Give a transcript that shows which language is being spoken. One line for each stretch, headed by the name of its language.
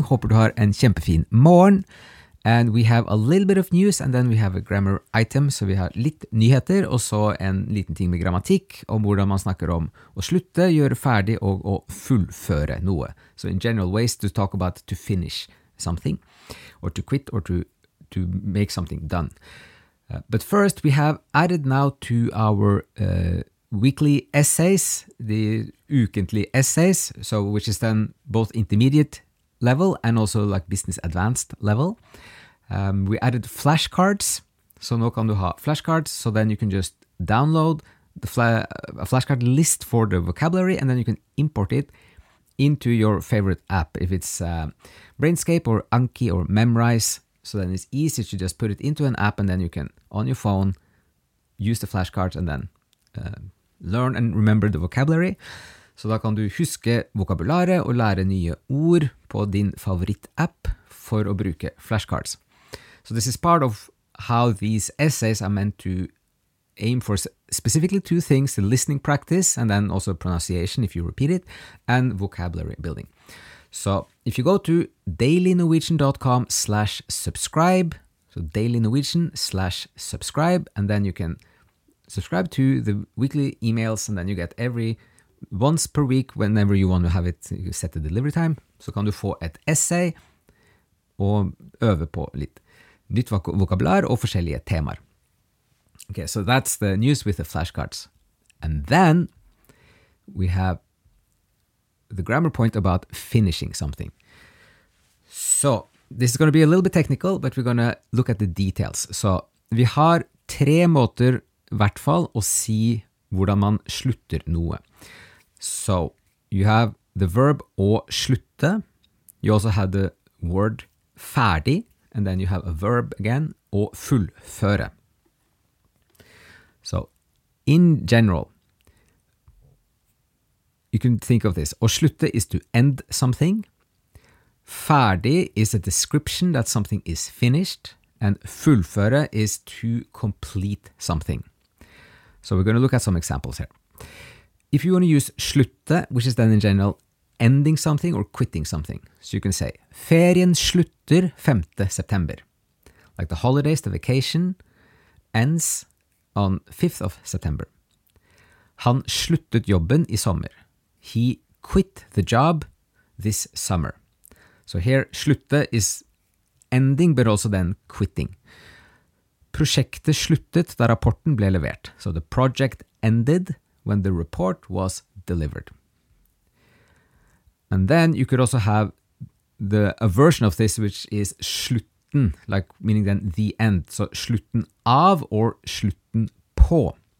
Norwegian: Håper du har en kjempefin morgen.
English: And we have a little bit of news, and then we have a grammar item.
Norwegian: Så vi har litt nyheter, og så en liten ting med grammatikk, om hvordan man snakker om å slutte, gjøre ferdig, og å fullføre noe.
English: So in general ways, to talk about to finish something, or to quit, or to make something done. But first, we have added now to our weekly essays, the ukentlig essays, so which is then both intermediate level and also like business advanced level. We added flashcards, so
Norwegian: nå kan du ha flashcards,
English: so then you can just download the a flashcard list for the vocabulary, and then you can import it into your favorite app, if it's Brainscape or Anki or Memrise. So then it's easy to just put it into an app, and then you can, on your phone, use the flashcards and then learn and remember the vocabulary.
Norwegian: Så da kan du huske vokabularet og lære nye ord på din favorittapp for å bruke flashcards.
English: So this is part of how these essays are meant to aim for specifically two things, the listening practice and then also pronunciation if you repeat it, and vocabulary building. So if you go to dailynorwegian.com/subscribe, so dailynorwegian.com/subscribe, and then you can subscribe to the weekly emails, and then you get every once per week whenever you want to have it, you set the delivery time,
Norwegian: så kan du få et essay og øve på litt nytt vokabular og forskjellige temaer.
English: Okay, so that's the news with the flashcards. And then we have the grammar point about finishing something. So this is going to be a little bit technical, but we're going to look at the details.
Norwegian: So vi har tre måter I hvert fall å si hvordan man slutter noe.
English: So you have the verb å slutte. You also have the word ferdig, and then you have a verb again, å fullføre. So in general, you can think of this. Å slutte is to end something. Ferdig is a description that something is finished, and fullføre is to complete something. So we're going to look at some examples here. If you want to use slutte, which is then in general ending something or quitting something. So you can say,
Norwegian: ferien slutter 5. September.
English: Like the holidays, the vacation ends on 5th of September.
Norwegian: Han sluttet jobben I sommer.
English: He quit the job this summer. So here, slutte is ending, but also then quitting.
Norwegian: Prosjektet sluttet da rapporten ble levert.
English: So the project ended when the report was delivered. And then you could also have a version of this, which is slutten, like meaning then the end. So slutten av or slutten på.